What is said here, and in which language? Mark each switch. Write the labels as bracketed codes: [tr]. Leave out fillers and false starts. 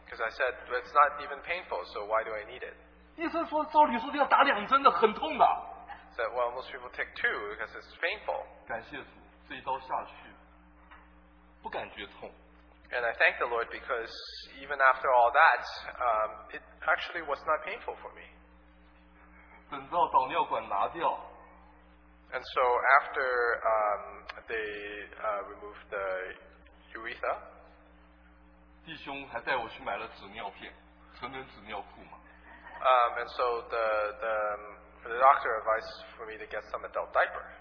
[en] Because I said it's not even painful, so why do I need it? [zh] 医生说照理说要打两针的，很痛的。 [en] Said, well, most people take two because it's painful. [zh] 感谢主，这一刀下去，不感觉痛。 [en] And I thank the Lord because even after all that, it actually was not painful for me. [zh] 等到导尿管拿掉。 [en] And so after they removed the urethra, [zh] 弟兄还带我去买了纸尿片，成人纸尿裤嘛。 [en] And so the doctor advised for me to get some adult diaper.